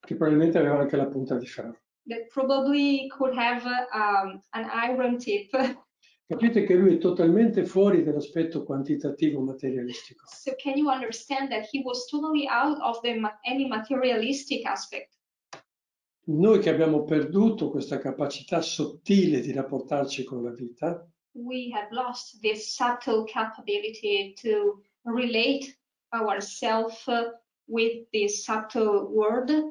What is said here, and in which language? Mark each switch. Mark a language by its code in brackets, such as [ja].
[it] Che probabilmente aveva anche la punta di ferro. [en] That probably could have an iron tip. [it] Capite che lui è totalmente fuori dell'aspetto quantitativo materialistico. [en] So can you understand that he was totally out of any materialistic aspect? [it] Noi che abbiamo perduto questa capacità sottile di rapportarci con la vita. [en] We have lost this subtle capability to relate ourselves with this subtle world.